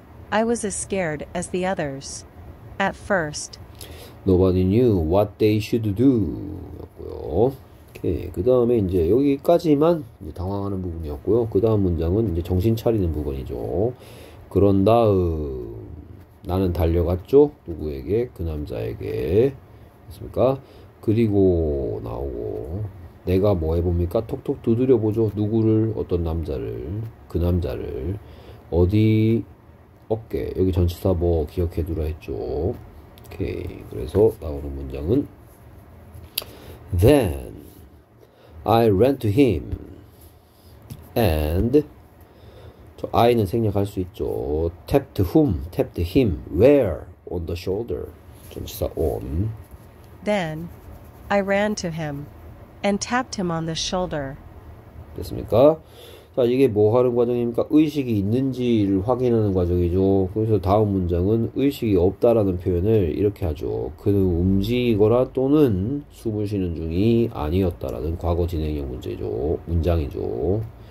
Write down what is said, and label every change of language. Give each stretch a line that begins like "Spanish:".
English: I was as scared as the others at first. Nobody knew what they should do.
Korean: 였고요. 오케이. 그 다음에 이제 여기까지만 이제 당황하는 부분이었고요. 그 다음 문장은 이제 정신 차리는 부분이죠. 그런 다음, 나는 달려갔죠? 누구에게? 그 남자에게. 했습니까? 그리고 나오고, 내가 뭐 해봅니까? 톡톡 두드려보죠. 누구를, 어떤 남자를, 그 남자를. 어디, 어깨. 여기 전치사 뭐 기억해두라 했죠. 오케이. 그래서 나오는 문장은
English: Then I ran to him and 저 I는
Korean: 생략할 수 있죠.
English: Tapped whom? Tapped him. Where? On the shoulder.
Korean: 전치사 on.
English: Then I ran to him and tapped him on the shoulder.
Korean: 됐습니까? 자, 이게 뭐 하는 과정입니까? 의식이 있는지를 확인하는 과정이죠. 그래서 다음 문장은 의식이 없다라는 표현을 이렇게 하죠. 그는 움직이거나 또는 숨을 쉬는 중이 아니었다라는 과거 진행형 문제죠. 문장이죠.